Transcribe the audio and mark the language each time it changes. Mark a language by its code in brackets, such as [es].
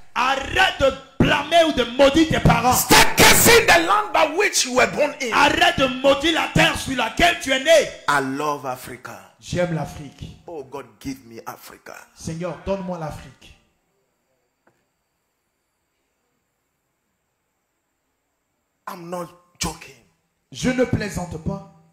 [fr] Arrête de blâmer ou de maudire tes parents. [en] Stop cursing the land by which you were born in. [fr] Arrête de maudire la terre sur laquelle tu es né. [en] I love Africa. [fr] J'aime l'Afrique. [en] Oh God, give me Africa. [fr] Seigneur, donne-moi l'Afrique. [en] I'm not joking. [fr] Je ne plaisante pas.